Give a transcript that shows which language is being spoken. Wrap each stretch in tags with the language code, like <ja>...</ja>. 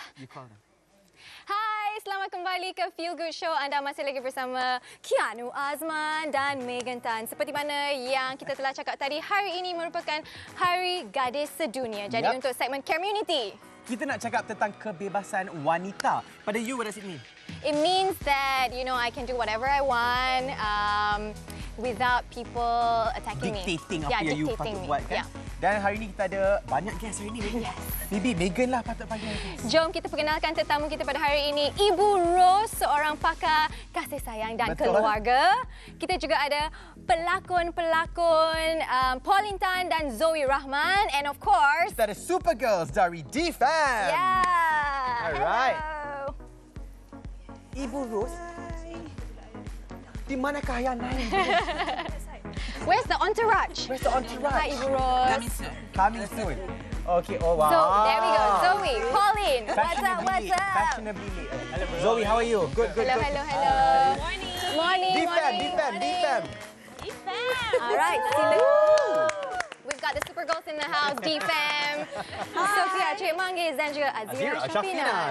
<en>call them.</en> <ms>Hai, selamat kembali ke Feel Good Show. Anda masih lagi bersama Keanu Azman dan Megan Tan. Seperti mana yang kita telah cakap tadi, hari ini merupakan Hari Gadis Sedunia. Jadi yep. Untuk segmen Community, kita nak cakap tentang kebebasan wanita. Pada you,</ms> <en>what does it mean? It means that, you know, I can do whatever I want without people attacking dictating</en> <ms>Dictating apa yeah, yang you patut me. Buat, kan? Yeah. Dan hari ini kita ada banyak guest hari ini. Bibi, Megan lah patut panggil. Jom kita perkenalkan tetamu kita pada hari ini. Ibu Rose, seorang pakar kasih sayang dan betul keluarga. Kita juga ada pelakon-pelakon Pauline Tan dan Zoe Rahman.</ms> <en>And of course,</en> <ms>kita ada Supergirls dari D-Fam.</ms> <en>Yeah.</en> <ms>Alright. Ibu Rose, di manakah ayah Nain?</ms> <en>Where's the entourage? Where's the entourage? Hi, Ibu Rose. Coming soon. Coming soon. Okay, oh wow. So, there we go. Zoe, Pauline. What's up, what's up? Fashionably. Hello, Zoe, how are you? Good, good, hello, good. Hello, hello, hello. Morning. Morning, D-Fam, morning. D-Fam, D-Fam, D-Fam. D-Fam. All right, sila. We've got the Supergirls in the house, D-Fam.</en> <ms>Sofia, Cik Manggis dan juga Azira Shafina.</ms>